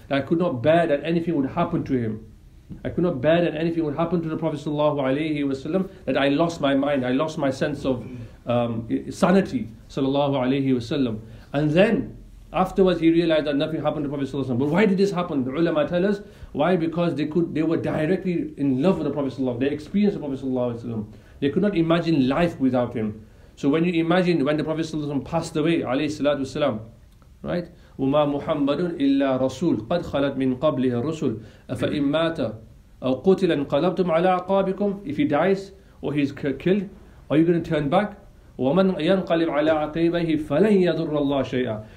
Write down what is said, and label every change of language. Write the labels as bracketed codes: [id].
[en] I could not bear that anything would happen to him. I could not bear that anything would happen to the Prophet sallallahu alayhi wa sallam, that I lost my mind, I lost my sense of sanity, sallallahu alayhi wa sallam. And then, afterwards he realized that nothing happened to Prophet sallallahu alayhi wa sallam. But why did this happen? The ulama tell us, why? Because they were directly in love with the Prophet sallallahu alayhi wa sallam. They experienced the Prophet sallallahu alayhi wa sallam. They could not imagine life without him. So when you imagine when the Prophet sallallahu alayhi wa sallam passed away, alayhi salatu wasalam, right? [ar] وما محمد إلا رسول قد خلت من قبله الرسل فإن مات أو قتل انقلبتم على عقابكم. [en] If he dies or he's killed, are you going to turn back? [ar] ومن ينقلب على عقبيه فلن يضر الله شيئا.